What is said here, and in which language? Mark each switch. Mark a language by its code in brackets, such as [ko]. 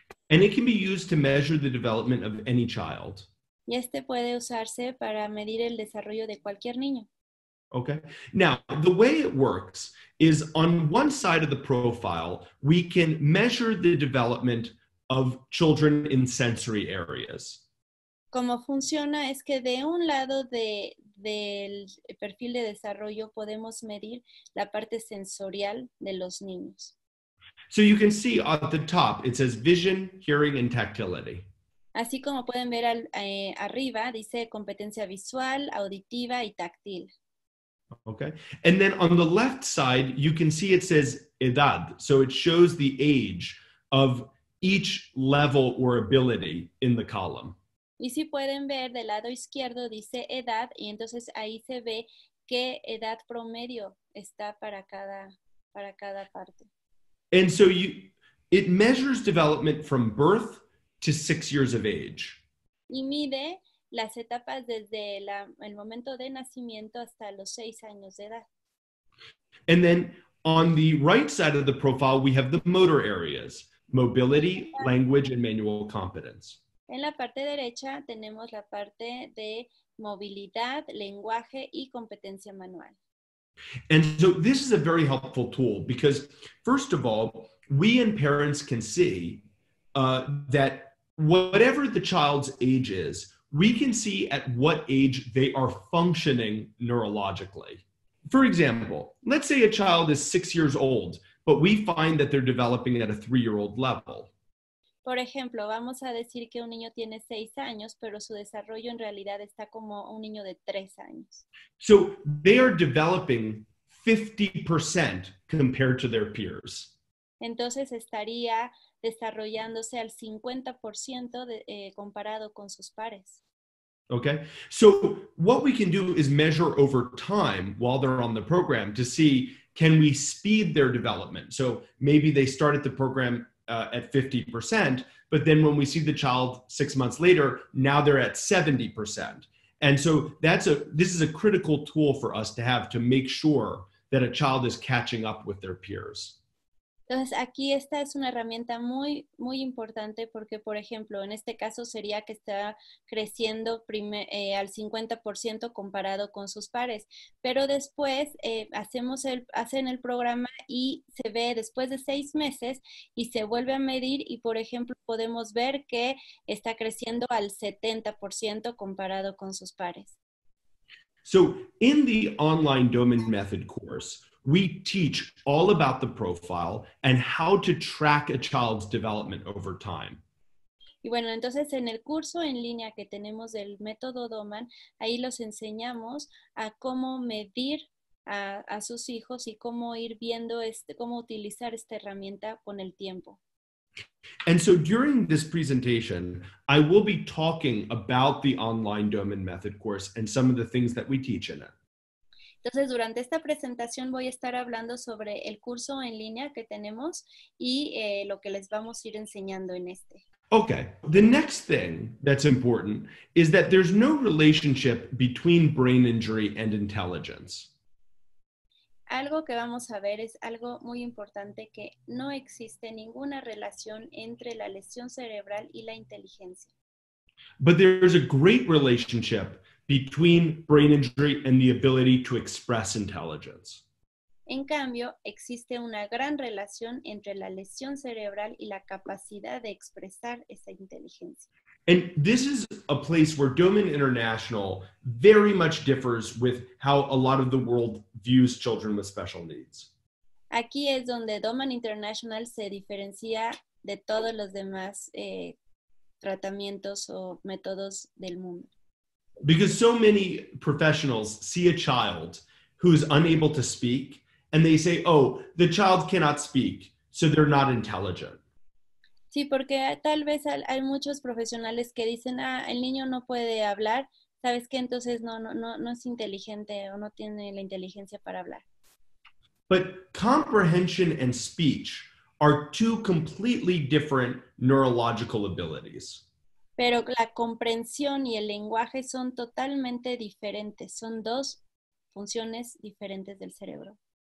[en] And it can be used to measure the development of any child. [es] Y este puede usarse para medir el desarrollo de cualquier niño. [en] Okay. Now, the way it works is on one side of the profile, we can measure the development of children in sensory areas. [es] Cómo funciona es que de un lado del perfil de desarrollo podemos medir la parte sensorial de los niños. [en] So you can see at the top it says vision, hearing and tactility. [es] Así como pueden ver arriba dice competencia visual, auditiva y táctil. [en] Okay. And then on the left side you can see it says edad. So it shows the age of each level or ability in the column. [es] Y si pueden ver del lado izquierdo dice edad y entonces ahí se ve qué edad promedio está para cada parte. [en] And so it measures development from birth to 6 years of age. [es] Y mide las etapas desde el momento de nacimiento hasta los 6 años de edad. [en] And then on the right side of the profile we have the motor areas. Mobility, language, and manual competence. [es] En la parte derecha tenemos la parte de movilidad, lenguaje y competencia manual. [en] And so this is a very helpful tool because, first of all, we and parents can see that whatever the child's age is, we can see at what age they are functioning neurologically. For example, let's say a child is 6 years old, but we find that they're developing at a 3-year-old level. [es] Por ejemplo, vamos a decir que un niño tiene 6 años, pero su desarrollo en realidad está como un niño de 3 años. [en] So they are developing 50% compared to their peers. [es] Entonces estaría desarrollándose al 50% comparado con sus pares. [en] Okay. So what we can do is measure over time while they're on the program to see, can we speed their development? So maybe they start at the program at 50%, but then when we see the child 6 months later, now they're at 70%. And so this is a critical tool for us to have to make sure that a child is catching up with their peers. [es] Entonces, aquí esta es una herramienta muy, muy importante porque, por ejemplo, en este caso sería que está creciendo al 50% comparado con sus pares. Pero después hacen el programa y se ve después de 6 meses y se vuelve a medir y, por ejemplo, podemos ver que está creciendo al 70% comparado con sus pares. [en] So, in the online Doman method course, we teach all about the profile and how to track a child's development over time. [es] Y bueno, entonces en el curso en línea que tenemos del método Doman, ahí los enseñamos a cómo medir a sus hijos y cómo ir viendo cómo utilizar esta herramienta con el tiempo. [en] And so during this presentation, I will be talking about the online Doman method course and some of the things that we teach in it. [es] Entonces, durante esta presentación voy a estar hablando sobre el curso en línea que tenemos y lo que les vamos a ir enseñando en este. [en] Okay, the next thing that's important is that there's no relationship between brain injury and intelligence. [es] Algo que vamos a ver es algo muy importante, que no existe ninguna relación entre la lesión cerebral y la inteligencia. [en] But there's a great relationship between brain injury and the ability to express intelligence. [es] En cambio, existe una gran relación entre la lesión cerebral y la capacidad de expresar esa inteligencia. [en] And this is a place where Doman International very much differs with how a lot of the world views children with special needs. [es] Aquí es donde Doman International se diferencia de todos los demás tratamientos o métodos del mundo. [en] Because so many professionals see a child who is unable to speak and they say, oh, the child cannot speak, so they're not intelligent. [es] Sí, porque tal vez hay muchos profesionales que dicen, ah, el niño no puede hablar, ¿sabes qué? Entonces no es inteligente o no tiene la inteligencia para hablar. [en] But comprehension and speech are two completely different neurological abilities. [es] Pero la comprensión y el lenguaje son totalmente diferentes, son dos funciones diferentes del cerebro.